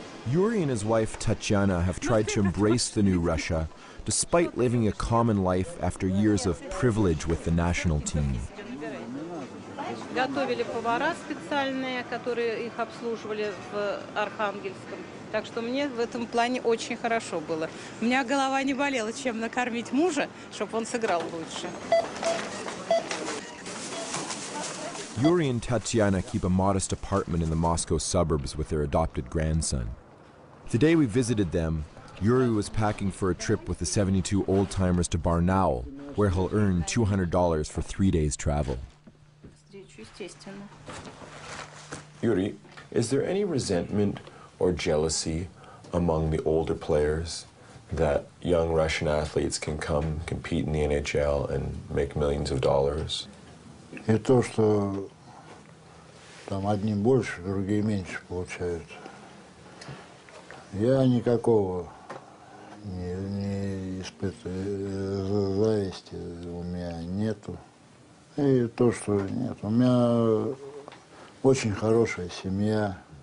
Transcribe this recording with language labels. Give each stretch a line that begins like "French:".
English: Yuri and his wife Tatiana have tried to embrace the new Russia, despite living a common life after years of privilege with the national team.
Russian: Готовили повара специальные, которые их обслуживали в Архангельском. Так что мне в этом плане очень хорошо было. У меня голова не болела, чем накормить мужа, чтобы он сыграл лучше.
English: Yuri and Tatiana keep a modest apartment in the Moscow suburbs with their adopted grandson. The day we visited them, Yuri was packing for a trip with the 72 old-timers to Barnaul, where he'll earn $200 for 3 days' travel. Yuri, is there any resentment or jealousy among the older players that young Russian athletes can come compete in the NHL and make millions of dollars?
Russian: И то, что там одни больше, другие меньше получают. Я никакого не испытываю зависти у меня нету. И то, что нет, у меня очень хорошая семья.